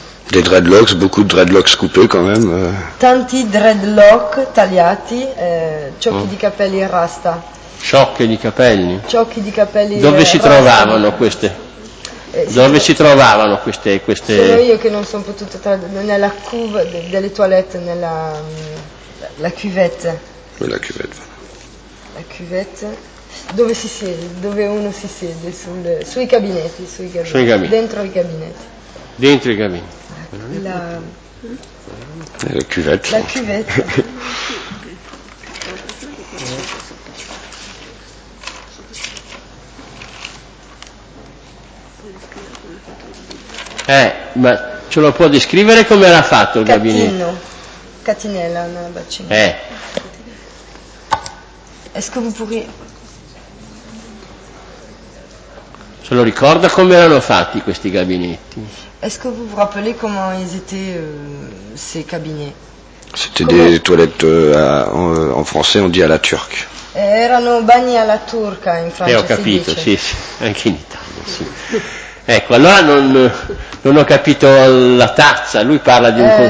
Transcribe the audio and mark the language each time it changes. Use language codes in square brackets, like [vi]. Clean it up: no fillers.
[fr] Des dreadlocks, beaucoup de dreadlocks coupés, quand même. [it] Tanti dreadlocks tagliati, ciocchi di capelli rasta. Ciocchi di capelli? Ciocchi di capelli rasta. Dove si trovavano queste? Dove si trovavano queste... Sono io che non sono potuto trovare, nella cuve delle toilette, nella... [fr] la cuvette. Oui, la cuvette. [it] La cuvette... Dove si siede? Dove uno si siede? Sui gabinetti. Dentro i gabinetti. [fr] La cuvette. La cuvette. [it] ma ce lo può descrivere come era fatto il gabinetto? Catino. Catinella, una bacina. [fr] Est-ce que vous pourriez... [it] Se lo ricorda come erano fatti questi gabinetti? [fr] Est-ce que vous vous rappelez comment ils étaient ces cabinets? C'était des toilettes en français on dit à la turque. [it] Erano bagni alla turca in Francia. Ho capito, si dice. Sì, anche in Italia, sì. Ecco, allora non ho capito la tazza, lui parla di un